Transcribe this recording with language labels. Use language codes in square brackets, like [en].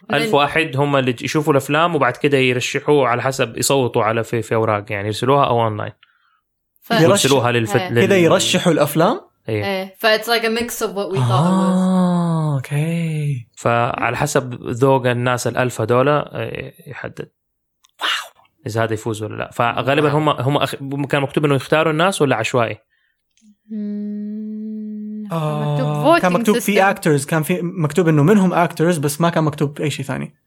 [ar] 1000 هم اللي يشوفوا الأفلام وبعد كده يرشحوه على حسب يصوتوا على في أوراق يعني يرسلوها أو أونلاين. يرسلوها للفتل. كده يرشحوا الأفلام. أيوه. فا [en] it's like a mix of what we thought it was. Okay. [ar] فعلى حسب ذوق الناس الألف هذولا يحدد. واو. إذا هذا يفوز ولا لا. فغالبا هم كان مكتوب إنه يختاروا الناس ولا عشوائي. كان مكتوب في actors, كان في مكتوب إنه منهم actors بس ما كان مكتوب أي شيء ثاني.